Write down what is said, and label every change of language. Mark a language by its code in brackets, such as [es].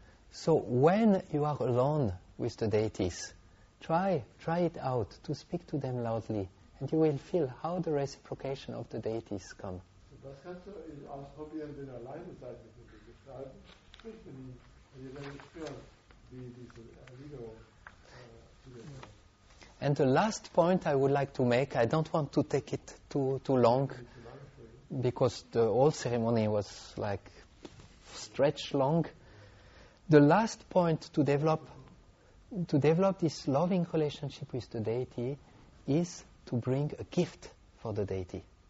[en] So, when you are alone with the deities, try it out, to speak to them loudly, and you will feel how the reciprocation of the deities come. [de] So, das kannst du ausprobieren, wenn du alleine seid mit den Bildgestalten, sprich mit ihnen, und ihr werdet spüren, wie diese Erwiderung zu dir kommt. [en] And the last point I would like to make, I don't want to take it too long, because the whole ceremony was like stretched long. The last point to develop this loving relationship with the deity is to bring a gift for the deity.